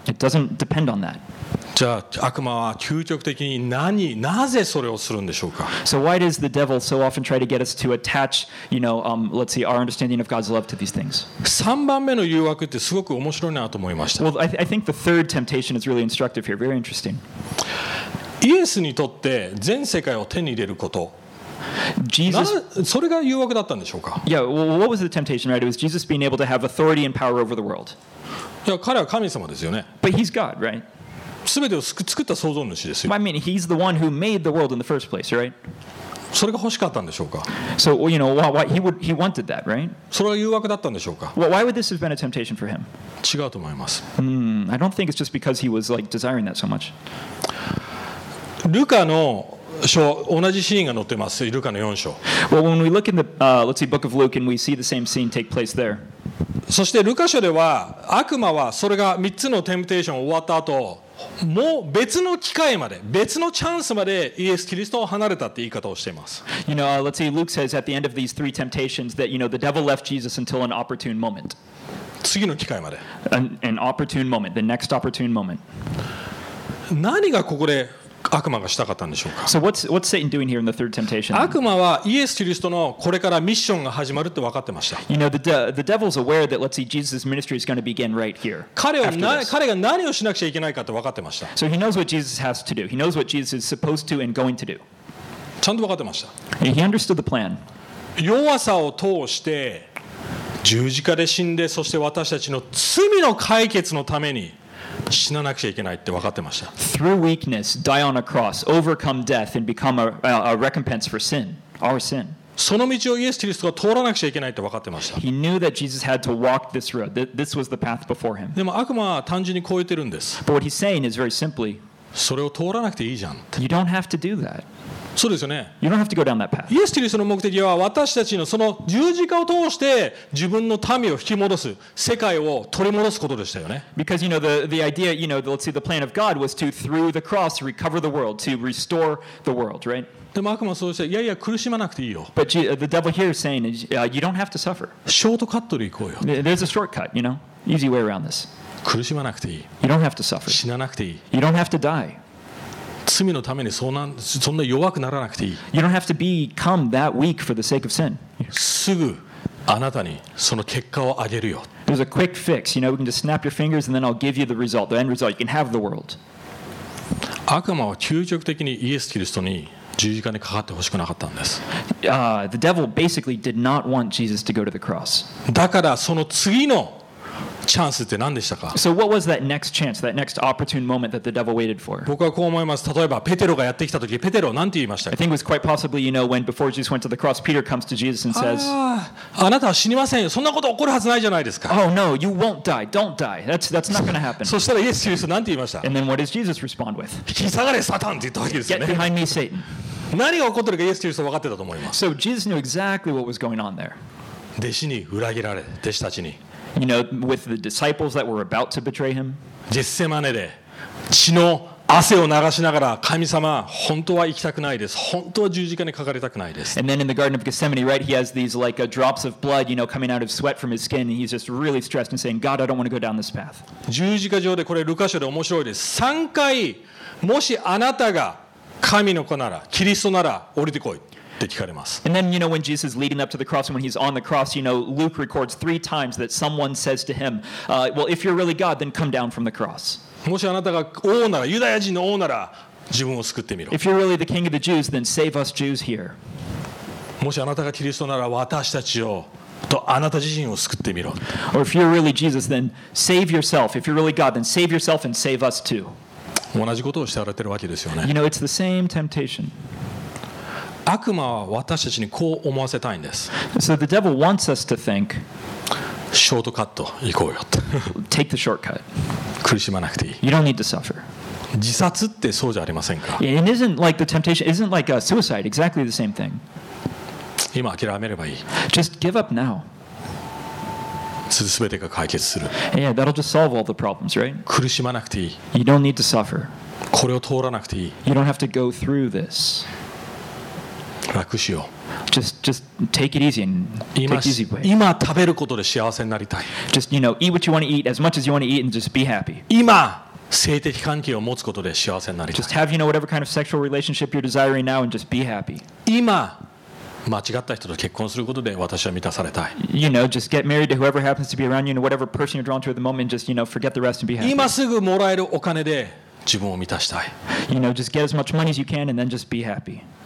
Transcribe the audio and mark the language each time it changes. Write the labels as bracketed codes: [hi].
[en] It doesn't depend on that. [ja] じゃあ悪魔は究極的に何、なぜそれをするんでしょうか。 [en] So why does the devil so often try to get us to attach, you know, let's see, our understanding of God's love to these things? [ja] 3番目の誘惑ってすごく面白いなと思いました。 [en] Well, I think the third temptation is really instructive here, very interesting. [ja] イエスにとって全世界を手に入れること。 [en] Jesus, [ja] それが誘惑だったんでしょうか。 [en] Yeah, well, what was the temptation, right? It was Jesus being able to have authority and power over the world. [ja] いや、彼は神様ですよね。 [en] But he's God, right? [ja] 全てを作った創造主ですよ。 [en] I mean, he's the one who made the world in the first place, right? [ja] それが欲しかったんでしょうか。 [en] So, you know, he wanted that, right? [ja] それが誘惑だったんでしょうか。 [en] Well, why would this have been a temptation for him? [ja] 違うと思います。 [en] I don't think it's just because he was like desiring that so much. [ja] ルカの書、同じシーンが載ってます。ルカの4章。 [en] Well, when we look in the, let's see, book of Luke, and we see the same scene take place there. [ja] そしてルカ書では悪魔はそれが3つのテンプテーションを終わった後もう別の機会まで別のチャンスまでイエス・キリストを離れたって言い方をしています。 [en] You know, let's see, Luke says at the end of these three temptations that, you know, the devil left Jesus until an opportune moment. [ja] 次の機会まで [en] an opportune moment, the next opportune moment. [ja] 何がここで悪魔がしたかったんでしょうか。 [en] So what's Satan doing here in the third temptation? [ja] 悪魔はイエス・キリストのこれからミッションが始まるって分かってました。 [en] You know, the devil's aware that, let's see, Jesus' ministry is going to begin right here. [ja] 彼が何をしなくちゃいけないかって分かってました。 [en] So he knows what Jesus has to do. He knows what Jesus is supposed to and going to do. [ja] ちゃんと分かってました。 [en] He understood the plan. [ja] 弱さを通して十字架で死んで、そして私たちの罪の解決のために死ななくちゃいけないって分かってました。 [en] Through weakness, die on a cross, overcome death and become a recompense for sin, our sin. [ja] その道をイエス・キリストが通らなくちゃいけないって分かってました。 [en] He knew that Jesus had to walk this road. This was the path before him. [ja] でも悪魔は単純にこう言ってるんです。 [en] But what he's saying is very simply, [ja] それを通らなくていいじゃん。 [en] You don't have to do that. [ja] そうですよね。 [en] You don't have to go down that path. [ja] イエス・キリストの目的は私たちのその十字架を通して自分の民を引き戻す、世界を取り戻すことでしたよね。 [en] Because, you know, the idea, you know, let's see, the plan of God was to, through the cross, recover the world, to restore the world, right? [ja] でも悪魔はそうして、いやいや苦しまなくていいよ。 [en] But the devil here is saying, you don't have to suffer. [ja] ショートカットで行こうよ。 [en] There's a shortcut, you know, easy way around this. [ja] 苦しまなくていい。 [en] You don't have to suffer. [ja] 死ななくていい。 [en] You don't have to die. [ja] 罪のためにそんな弱くならなくていい。 [en] You don't have to become that weak for the sake of sin. [ja] すぐあなたにその結果をあげるよ。 [en] There's a quick fix, you know, we can just snap your fingers and then I'll give you the result, the end result. You can have the world. [ja] 悪魔は究極的にイエス・キリストに十字架にかかってほしくなかったんです。 [en] The devil basically did not want Jesus to go to the cross. [ja] だからその次のチャンスって何でしたか。 [en] So what was that next chance, that next opportune moment that the devil waited for? [ja] 僕はこう思います。例えばペテロがやってきた時、ペテロは何て言いましたか。 [en] I think it was quite possibly, you know, when before Jesus went to the cross, Peter comes to Jesus and says, [ja] あなたは死にませんよ。そんなこと起こるはずないじゃないですか。 [en] Oh no, you won't die. Don't die. That's not going to happen. [ja] そしたらイエス・キリスト何て言いました。 [en] And then what does Jesus respond with? [ja] 引き下がれ、サタンって言ったわけですよね。 [en] Get behind me, Satan. [ja] 何が起こってるかイエス・キリスト分かってたと思います。 [en] So Jesus knew exactly what was going on there. [ja] 弟子に裏切られ、弟子たちに。 [en] You know, with the disciples that were about to betray him. [ja] ゲッセマネで血の汗を流しながら、神様、本当は行きたくないです。本当は十字架にかかりたくないです。 [en] And then in the Garden of Gethsemane, right, he has these like drops of blood, you know, coming out of sweat from his skin, and he's just really stressed and saying, God, I don't want to go down this path. [ja] 十字架上で、これルカ書で面白いです。3回、もしあなたが神の子なら、キリストなら、降りてこい。 [en] And then, you know, when Jesus is leading up to the cross, when he's on the cross, you know, Luke records three times that someone says to him, well, if you're really God, then come down from the cross. [ja] もしあなたが王なら、ユダヤ人の王なら、自分を救ってみろ。 [en] If you're really the king of the Jews, then save us Jews here. [ja] もしあなたがキリストなら私たちをとあなた自身を救ってみろ。 [en] Or if you're really Jesus, then save yourself. If you're really God, then save yourself and save us too. [ja] 同じことをしておられてるわけですよね。 [en] You know, it's the same temptation. [ja] 悪魔は私たちにこう思わせたいんです。 [en] So the devil wants us to think, [ja] ショートカット行こうよと。 [en] Take the shortcut. [ja] 苦しまなくていい。 [en] You don't need to suffer. [ja] 自殺ってそうじゃありませんか。 [en] It isn't like the temptation, isn't like a suicide, exactly the same thing. [ja] 今諦めればいい。 [en] Just give up now. [ja] すべてが解決する。 [en] Yeah, that'll just solve all the problems, right? [ja] 苦しまなくていい。 [en] You don't need to suffer. [ja] これを通らなくていい。 [en] You don't have to go through this. [ja] 楽しよう。 [en] Just take it easy and take it easy way. [ja] 今食べることで幸せになりたい。 [en] Just, you know, eat what you want to eat, as much as you want to eat, and just be happy. [ja] 今性的関係を持つことで幸せになりたい。 [en] Just have, you know, whatever kind of sexual relationship you're desiring now and just be happy. [ja] 今、間違った人と結婚することで私は満たされたい。 [en] You know, just get married to whoever happens to be around you and whatever person you're drawn to at the moment, just, you know, forget the rest and be happy. [ja] 今すぐもらえるお金で自分を満たしたい。 [en] You know, just get as much money as you can and then just be happy.